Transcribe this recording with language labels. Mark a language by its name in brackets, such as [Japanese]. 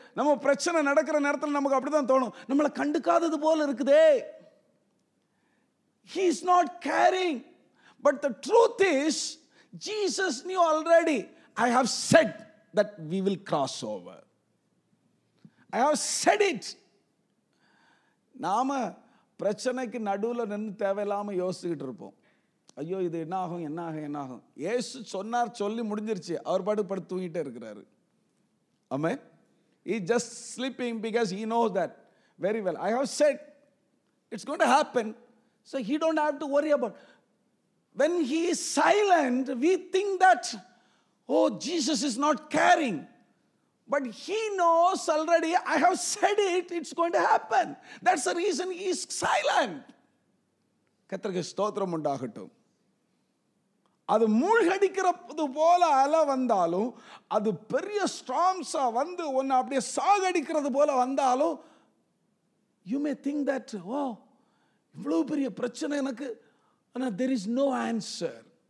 [Tamil] நம்ம பிரச்சனை நடக்கிற நேரத்தில் நமக்கு அப்படிதான் தோணும், நம்மளை கண்டுக்காதது போல இருக்குதே. [English] He is not caring. But the truth is, Jesus knew already, I have said that we will cross over. I have said it. [Tamil] நாம பிரச்சனைக்கு நடுவுல நின்னு தேவையில்லாம யோசிச்சுக்கிட்டு இருப்போம், ஐயோ இது என்ன ஆகும். இயேசு சொன்னார், சொல்லி முடிஞ்சிருச்சு, அவர் பாடு தூங்கிட்டே இருக்கிறாரு. [English] Amen. He just sleeping because he knows that very well. I have said It's going to happen. So he don't have to worry about. When he is silent, we think that, oh, Jesus is not caring. But he knows already, I have said it, it's going to happen. That's the reason he is silent. [Tamil] கர்த்தருக்கு ஸ்தோத்திரம் உண்டாகட்டும். அது மூழ்கடிக்கிறது போல அலை வந்தாலும், அது பெரிய ஸ்ட்ராம்ஸா வந்து ஒன்னு அப்படியே சாகடிக்கிறது போல வந்தாலும், [English] you may think that oh [Tamil] இவ்வளவு பெரிய பிரச்சனை எனக்கு, ஆனால் [English] There is no answer.